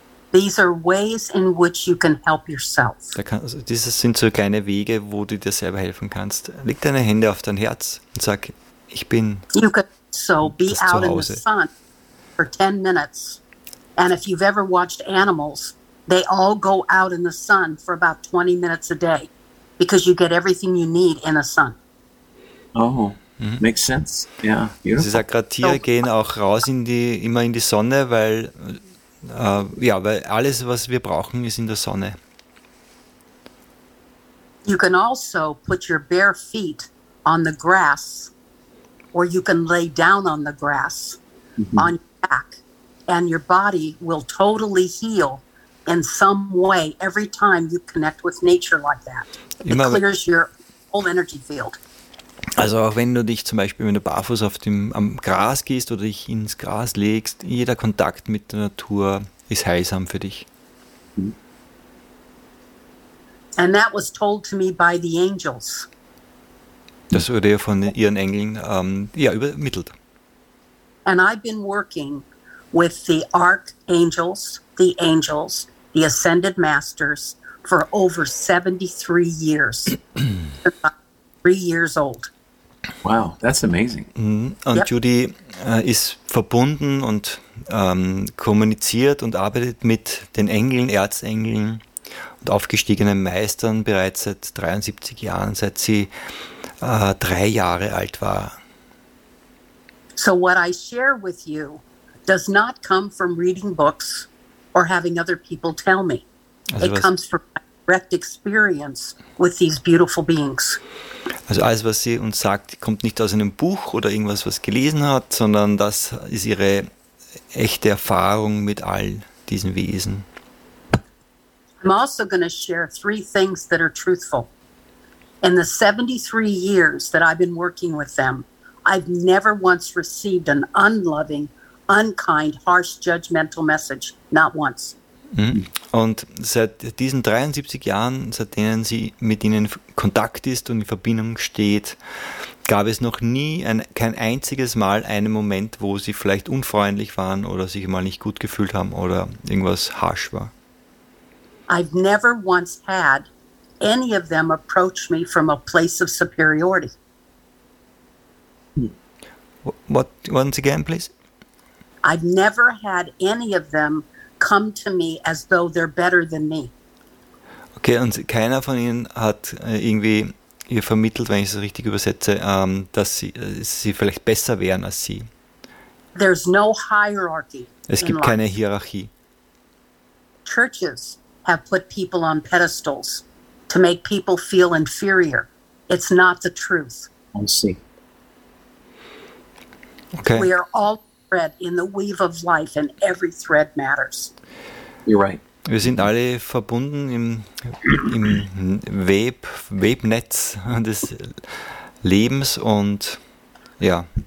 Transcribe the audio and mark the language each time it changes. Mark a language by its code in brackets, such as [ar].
[en] These are ways in which you can help yourself. [de] Diese sind so kleine Wege, wo du dir selber helfen kannst. Leg deine Hände auf dein Herz und sag, ich bin das [en] Zuhause. You could also be out in the sun for 10 minutes. And if you've ever watched animals, they all go out in the sun for about 20 minutes a day. Because you get everything you need in the sun. Oh, makes sense. Yeah, beautiful. [de] Sie sagt gerade, Tiere gehen auch raus immer in die Sonne, weil... weil alles, was wir brauchen, ist in der Sonne. [en] You can also put your bare feet on the grass, or you can lay down on the grass on your back, and your body will totally heal in some way every time you connect with nature like that. It clears your whole energy field. [de] Also auch wenn du dich zum Beispiel, wenn du barfuß am Gras gehst oder dich ins Gras legst, jeder Kontakt mit der Natur ist heilsam für dich. [en] And that was told to me by the angels. [de] Das wurde ja von ihren Engeln übermittelt. [en] And I've been working with the Archangels, the Angels, the Ascended Masters for over 73 years. 3 years old. Wow, that's amazing. [de] Und Judy ist verbunden und kommuniziert und arbeitet mit den Engeln, Erzengeln und aufgestiegenen Meistern bereits seit 73 Jahren, seit sie 3 Jahre alt war. [en] So what I share with you does not come from reading books or having other people tell me. Also it comes from my direct experience with these beautiful beings. [de] Also alles, was sie uns sagt, kommt nicht aus einem Buch oder irgendwas, was gelesen hat, sondern das ist ihre echte Erfahrung mit all diesen Wesen. [en] I'm also going to share three things that are truthful. In the 73 years that I've been working with them, I've never once received an unloving, unkind, harsh, judgmental message. Not once. [de] Und seit diesen 73 Jahren, seit denen sie mit ihnen in Kontakt ist und in Verbindung steht, gab es noch nie kein einziges Mal einen Moment, wo sie vielleicht unfreundlich waren oder sich mal nicht gut gefühlt haben oder irgendwas harsch war. [en] I've never once had any of them approach me from a place of superiority. What, once again, please? I've never had any of them come to me as though they're better than me. [de] Okay, und keiner von ihnen hat irgendwie ihr vermittelt, wenn ich es richtig übersetze, dass sie vielleicht besser wären als sie. [en] There's no hierarchy. [de] Es gibt keine Hierarchie. [en] Churches have put people on pedestals to make people feel inferior. It's not the truth. I see. Okay. We are all thread in the weave of life, and every thread matters. You're right. [de] Wir sind alle verbunden im Webnetz des Lebens und ja.